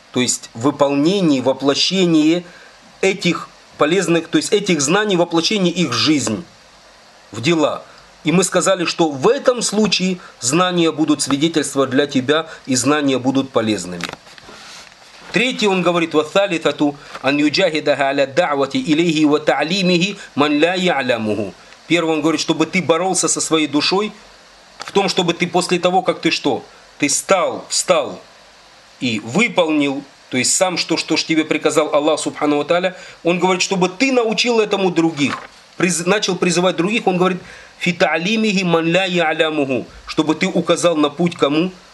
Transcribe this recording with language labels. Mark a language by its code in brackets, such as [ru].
[ru] То есть выполнении, воплощении этих полезных, то есть этих знаний, воплощении их в жизнь, в дела. И мы сказали, что в этом случае знания будут свидетельствовать для тебя, и знания будут полезными. Третье, он говорит, [ar] وَثَالِثَةُ أَنْ يُجَاهِدَهَا عَلَى الدَّعْوَةِ إِلَيْهِ وَتَعْلِيمِهِ مَنْ لَا يَعْلَمُهُ. [ru] Первое, он говорит, чтобы ты боролся со своей душой в том, чтобы ты после того, как ты что? Ты встал и выполнил, то есть сам, что ж тебе приказал Аллах, субхану ва тааля. Он говорит, чтобы ты научил этому других, начал призывать других, он говорит, [ar] فِتَعْلِيمِهِ مَنْ لَا يَعْلَمُهُ, [ru] чтобы ты указал на путь кому?